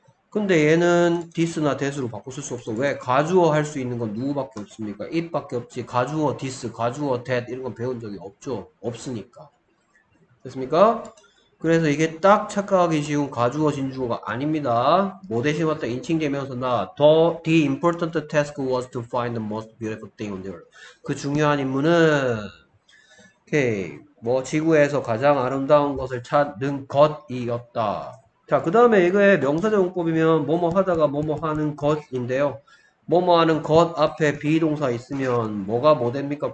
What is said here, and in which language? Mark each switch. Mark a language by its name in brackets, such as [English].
[Korean] 근데 얘는 this나 that으로 바꿔 쓸수 없어. 왜? 가주어 할수 있는 건 누구밖에 없습니까? it밖에 없지. 가주어 this, 가주어 that 이런 건 배운 적이 없죠. 없으니까. 됐습니까? 그래서 이게 딱 착각하기 쉬운 가주어 진주어가 아닙니다. 뭐 대신 왔다? 인칭 대명사나 [English] the important task was to find the most beautiful thing on the earth. [Korean] 그 중요한 임무는 오케이. 뭐 지구에서 가장 아름다운 것을 찾는 것이었다. 자, 그 다음에 이거의 명사적 용법이면 뭐뭐 하다가 뭐뭐 하는 것인데요. 뭐뭐 하는 것 앞에 비동사 있으면 뭐가 뭐 됩니까?